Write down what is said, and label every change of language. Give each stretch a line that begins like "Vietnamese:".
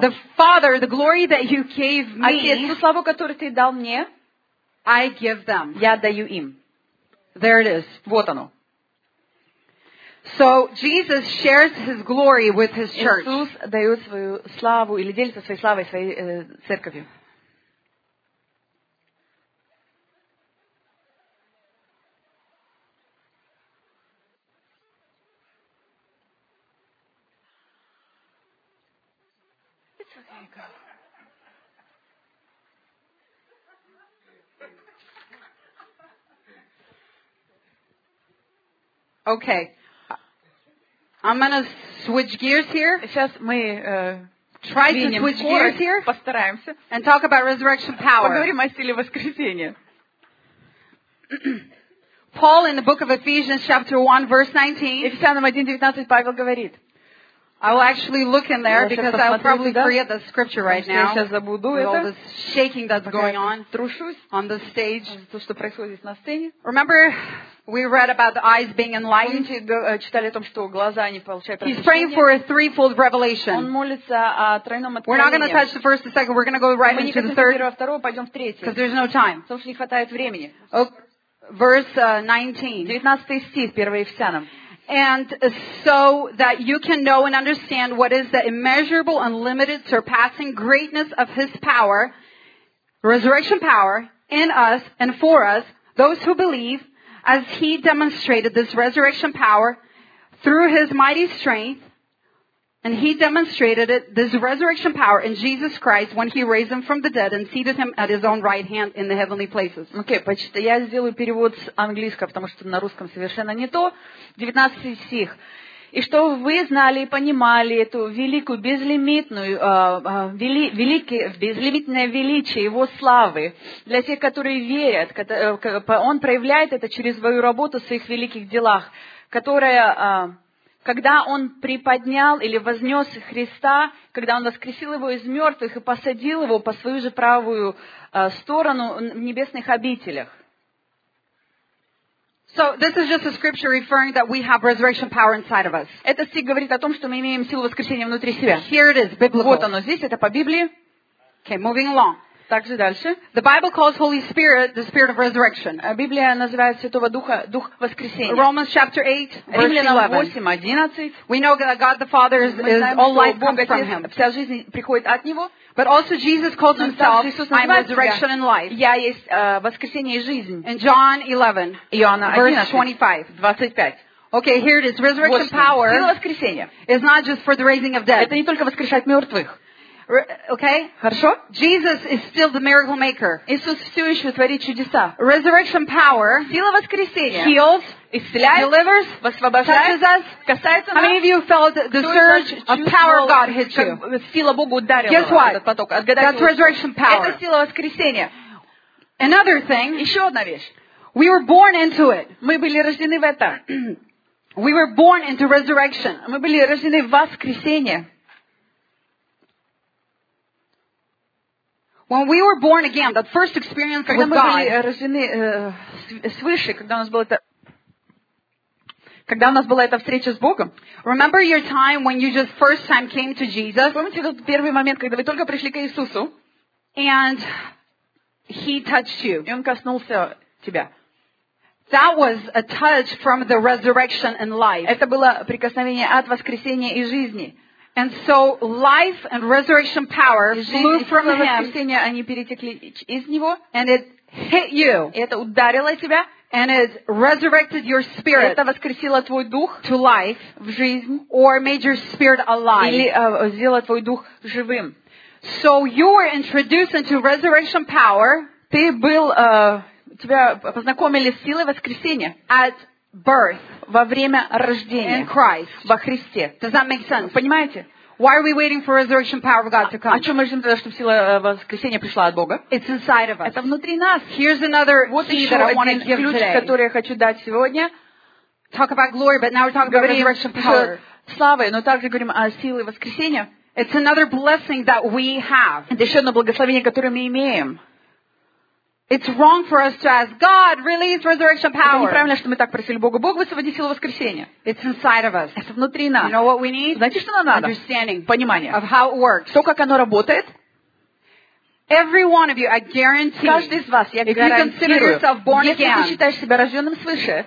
English: the Father, the glory that you gave me,
Russian: Отец, ту славу, которую ты дал мне,
English: I give them.
Russian: Я даю им.
English: There it is.
Russian: Вот оно.
English: So Jesus shares his glory with his church.
Russian: Иисус дает свою славу или делится своей славой своей церковью.
English: Okay, I'm gonna switch gears here.
Russian: Сейчас мы
English: try to switch gears here.
Russian: Постараемся.
English: And talk about resurrection power.
Russian: Поговорим о силе воскресения.
English: Paul in the book of Ephesians chapter 1 verse 19.
Russian: Ефесянам 1:19 Павел говорит.
English: I will actually look in there because I will probably create the scripture right now.
Russian: Я сейчас забуду это.
English: With all this shaking that's going on.
Russian: Трушусь.
English: On the stage.
Russian: То, что происходит на сцене.
English: Remember, we read about the eyes being enlightened.
Russian: Помните, читали о том, что глаза они получают
English: прозрение. He's praying for a threefold revelation.
Russian: Он молится о тройном откровении.
English: We're not going to touch the first and second. We're going to go right into the third.
Russian: Мы не хотим с первого, пойдем в третий.
English: Because there's no time.
Russian: Потому что не хватает времени.
English: Verse 19.
Russian: 19 стих, 1 Ефесянам.
English: And so that you can know and understand what is the immeasurable, unlimited, surpassing greatness of His power, resurrection power, in us and for us, those who believe, as He demonstrated this resurrection power through His mighty strength, and He demonstrated it, this resurrection power in Jesus Christ when He raised Him from the dead and seated Him at His own right hand in the heavenly places.
Russian: Окей, почитай. Я сделаю перевод с английского, потому что на русском совершенно не то. 19 стих. И что вы знали и понимали эту великую, безлимитную, безлимитное величие Его славы для тех, которые верят. Он проявляет это через свою работу в своих великих делах, которая... Когда Он приподнял или вознес Христа, когда Он воскресил Его из мертвых и посадил Его по свою же правую сторону в небесных обителях.
English: So this is just a scripture referring that we have resurrection power inside of us.
Russian: Это стих говорит о том, что мы имеем силу воскресения внутри себя.
English: Here it is, biblical.
Russian: Вот оно здесь, это по Библии.
English: Okay, moving along.
Russian: Также дальше.
English: The Bible calls Holy Spirit the Spirit of Resurrection.
Russian: Библия называет Святого Духа Дух Воскресения.
English: Romans chapter 8, verse 11. We know that God the Father is all life comes from Him.
Russian: Вся жизнь приходит от Него.
English: But also Jesus calls Himself I am resurrection and life.
Russian: Я есть воскресение и жизнь.
English: In John 11,
Russian: Иоанна 11,
English: verse 25. Okay, here it is. Resurrection power.
Russian: Сила воскресения.
English: Is not just for the raising of dead.
Russian: Это не только воскрешать мертвых.
English: Okay?
Russian: Хорошо?
English: Jesus is still the miracle maker.
Russian: Иисус все еще творит чудеса.
English: Resurrection power.
Russian: Сила воскресения.
English: Heals.
Russian: Исцеляет.
English: Delivers.
Russian: Освобождает.
English: Touches us.
Russian: Касается нас.
English: How many of you felt the surge of power of God hit you?
Russian: Сила Бога ударила.
English: Guess what?
Russian: Этот поток.
English: That's resurrection power.
Russian: Это сила воскресения.
English: Another thing.
Russian: Еще одна вещь.
English: We were born into it.
Russian: Мы были рождены в это.
English: We were born into resurrection.
Russian: Мы были рождены в воскресение.
English: When we were born again, that first experience with God.
Russian: Когда мы были рождены свыше, когда у нас было это, когда у нас была эта встреча с Богом.
English: Remember your time when you just first time came to Jesus.
Russian: Помните тот первый момент, когда вы только пришли к Иисусу?
English: And He touched you.
Russian: И Он коснулся тебя.
English: That was a touch from the resurrection and life.
Russian: Это было прикосновение от воскресения и жизни.
English: And so life and resurrection power flew from Him.
Russian: Они перетекли из него.
English: And it hit you.
Russian: Это ударило тебя.
English: And it resurrected your spirit.
Russian: Это воскресило твой дух.
English: To life.
Russian: В жизнь.
English: Or made your spirit alive.
Russian: Или сделало твой дух живым.
English: So you were introduced into resurrection power.
Russian: Ты был, тебя познакомили с силой воскресения.
English: At birth.
Russian: Во время рождения.
English: In Christ.
Russian: Во Христе.
English: Does that make sense?
Russian: Понимаете?
English: Why are we waiting for resurrection power of God to come?
Russian: О чем мы ждем тогда, чтобы сила воскресения пришла от Бога?
English: It's inside of us.
Russian: Это внутри нас.
English: Here's another key that I want to give today.
Russian: Вот еще один ключ, который я хочу дать сегодня.
English: Talk about glory, but now we're talking about resurrection power.
Russian: Славы, но также говорим о силе воскресения.
English: It's another blessing that we have.
Russian: Это еще одно благословение, которое мы имеем.
English: It's wrong for us to ask God release resurrection power.
Russian: Это неправильно, что мы так просили Бога. Бог высвободи силу воскресения.
English: It's inside of us.
Russian: Это внутри нас.
English: You know what we need?
Russian: Знаете, что нам надо?
English: Understanding.
Russian: Понимание.
English: Of how it works.
Russian: То, как оно работает.
English: Every one of you, I guarantee.
Russian: Каждый из вас, я гарантирую. Если ты считаешь себя рожденным свыше,